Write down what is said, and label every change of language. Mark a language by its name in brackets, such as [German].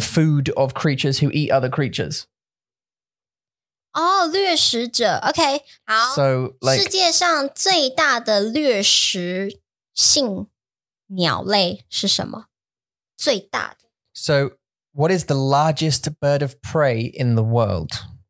[English] The food of creatures who eat other creatures. [Chinese] 哦，掠食者。OK, 好。 [English] So, like, [Chinese] 世界上最大的掠食性鸟类是什么？最大的. [English] So, what is the largest bird of prey in the world?